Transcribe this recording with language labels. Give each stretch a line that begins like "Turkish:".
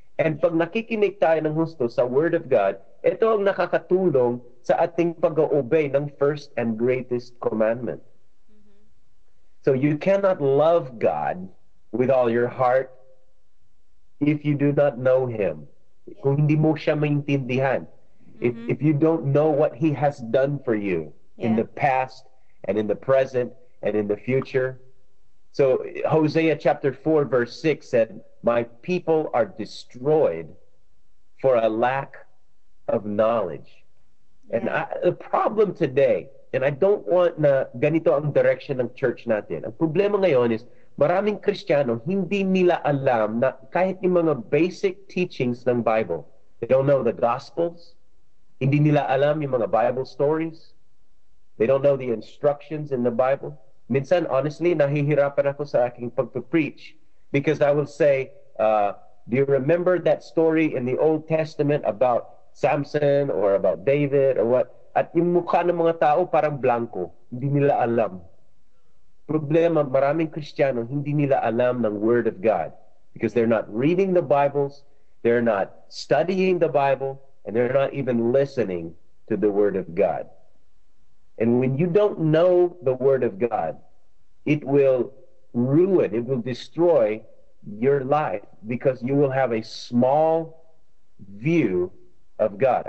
Filipino: And pag nakikinig tayo ng husto sa Word of God, ito ang nakakatulong sa ating pag-obey ng
English: first and greatest commandment. Mm-hmm. So you cannot love God with all your heart, if you do not know Him, yeah,
Filipino: kung hindi mo siya maintindihan,
English: mm-hmm, if you don't know what He has done for you, yeah, in the past and in the present and in the future. So Hosea chapter 4 verse 6 said, "My people are destroyed for a lack of knowledge." Yeah. And the problem today, and I don't want
Filipino: na ganito ang direction ng church natin. Ang problema ngayon is maraming Kristiyano hindi nila alam na kahit yung mga basic teachings ng Bible.
English: They don't know the Gospels.
Filipino: Hindi nila alam yung mga Bible stories.
English: They don't know the instructions in the Bible. Minsan, honestly,
Filipino: nahihirapan ako sa aking pagpapreach
English: because I will say, do you remember that story in the Old Testament about Samson or about David or what?
Filipino: At yung mukha ng mga tao parang blanco, hindi nila alam. Problema, maraming Kristiyano hindi nila alam ng
English: Word of God because they're not reading the Bibles, they're not studying the Bible, and they're not even listening to the Word of God. And when you don't know the Word of God, it will ruin, it will destroy your life because you will have a small view of God.